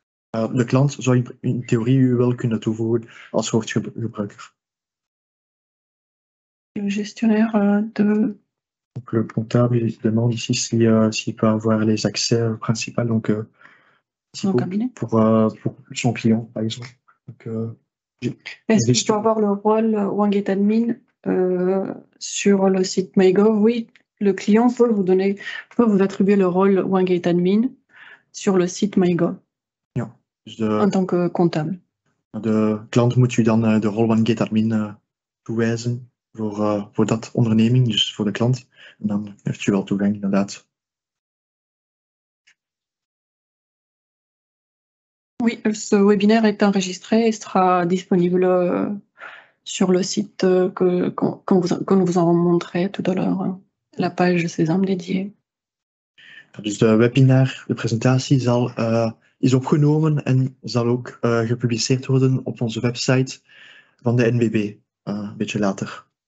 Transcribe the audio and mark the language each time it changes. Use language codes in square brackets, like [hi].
[nl] De klant zou in theorie u wel kunnen toevoegen als hoofdgebruiker. [fr] Le gestionnaire de. Donc, le comptable demande ici s'il peut avoir les accès principaux Mon cabinet. pour son client, par exemple. Donc, Est-ce qu'il faut avoir le rôle Wanget Admin sur le site MyGov? Oui, le client peut vous donner, peut vous attribuer le rôle Wanget Admin sur le site MyGov en tant que comptable. [nl] De klant moet u dan de rol van Gate Admin toewijzen voor dat onderneming, dus voor de klant. En dan heeft u wel toegang, inderdaad. [fr] Oui, ce webinaire est enregistré et sera disponible sur le site que nous vous avons montré tout à l'heure, la page Sésame dédiée. [nl] Dus de webinaire, de présentatie, zal is opgenomen en zal ook gepubliceerd worden op onze website van de NBB, een beetje later.